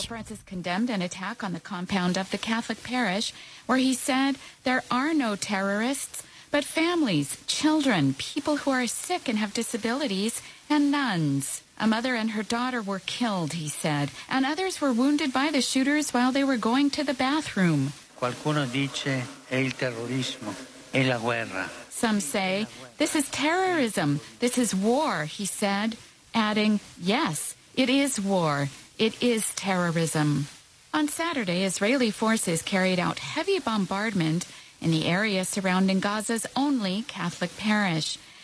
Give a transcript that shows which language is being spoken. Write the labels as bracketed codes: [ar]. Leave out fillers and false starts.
[en] Pope Francis condemned an attack on the compound of the Catholic parish, where he said there are no terrorists, but families, children, people who are sick and have disabilities, and nuns. A mother and her daughter were killed, he said, and others were wounded by the shooters while they were going to the bathroom. [it] Qualcuno dice è il terrorismo, è la guerra. [en] Some say, this is terrorism, this is war, he said, adding, yes, it is war, it is terrorism. On Saturday, Israeli forces carried out heavy bombardment in the area surrounding Gaza's only Catholic parish.